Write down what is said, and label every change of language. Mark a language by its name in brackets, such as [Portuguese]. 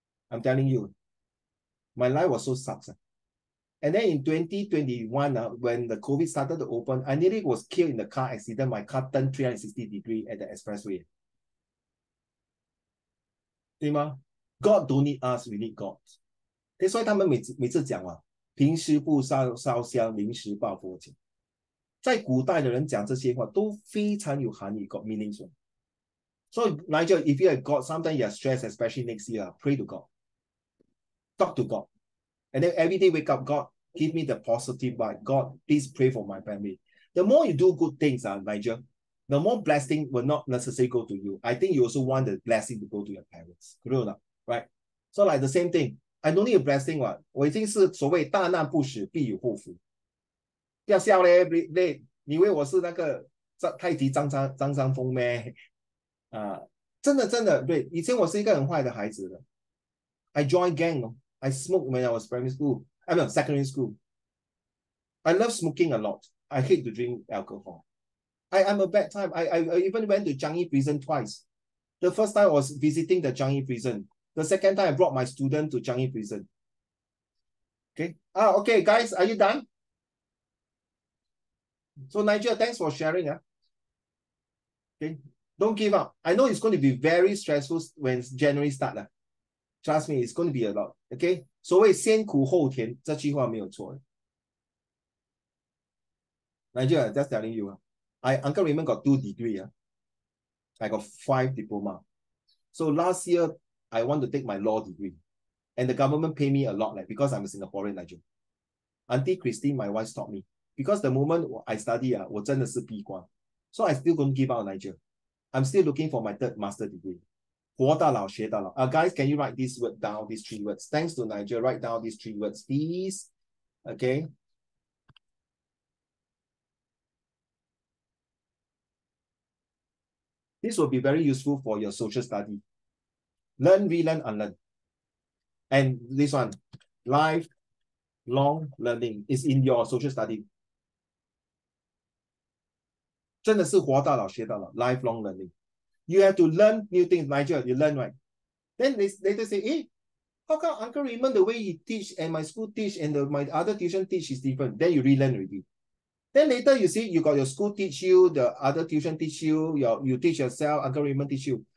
[English] I'm telling you, my life was so sucks. And then in 2021, when the COVID started to open, I nearly was killed in the car accident. My car turned 360 degrees at the expressway. God don't need us, we need God. That's why [Chinese] 他们每次讲, 平时不烧香，临时抱佛脚。在古代的人讲这些话, 都非常有含义, [English] got meaning. So Nigel, if you have God, sometimes you are stressed, especially next year, pray to God. talk to God. And then every day wake up, God, give me the positive vibe. God, please pray for my family. The more you do good things, Nigel, the more blessing will not necessarily go to you. I think you also want the blessing to go to your parents. Right? So like the same thing. I don't need a blessing. What? [Chinese] 我已经是所谓大难不死必有后福。不要笑咧，你以为我是那个太极张三丰咩？啊，真的真的，对，以前我是一个很坏的孩子的。 [English] I joined gang. I smoked when I was primary school. I mean, secondary school. I love smoking a lot. I hate to drink alcohol. I'm a bad time. I even went to Changi Prison twice. The first time I was visiting the Changi Prison. The second time I brought my student to Changi Prison. Okay. Ah, okay, guys, are you done? So Nigel, thanks for sharing. Okay. Don't give up. I know it's going to be very stressful when January starts. Trust me, it's going to be a lot. Okay. So wait, [Chinese] 先苦后甜,这句话没有错。 [English] Nigel, just telling you. Uncle Raymond got 2 degrees. I got 5 diplomas. So last year, I want to take my law degree. And the government pay me a lot, like, because I'm a Singaporean, Nigel. Auntie Christine, my wife, taught me. Because the moment I study, [Chinese] 我真的是闭关. [English] So I still don't give up, Nigel. I'm still looking for my 3rd master degree. [Chinese] 活到老学到老. [English] Guys, can you write this word down, these 3 words? Thanks to Nigel. Write down these 3 words, please. Okay. This will be very useful for your social study. Learn, relearn, unlearn. And this one, lifelong learning is in your social study. [Chinese] 真的是活到老学到老, [English] lifelong learning. You have to learn new things, Nigel, you learn, right? Then they later say, hey, how come Uncle Raymond, the way he teach and my school teach and my other tuition teach is different? Then you relearn already. Then later you see, you got your school teach you, the other tuition teach you, you teach yourself, Uncle Raymond teach you.